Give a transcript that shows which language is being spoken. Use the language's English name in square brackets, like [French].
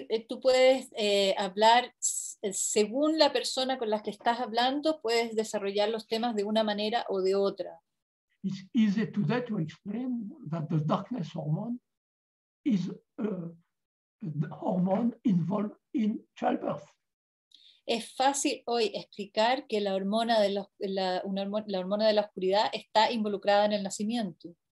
[Spanish] Tú puedes hablar según la persona con la que estás hablando, puedes desarrollar los temas de una manera o de otra. [English] It's easy today to explain that the darkness hormone is the hormone involved in childbirth. [Spanish] Es fácil hoy explicar que la hormona de la hormona de la oscuridad está involucrada en el nacimiento.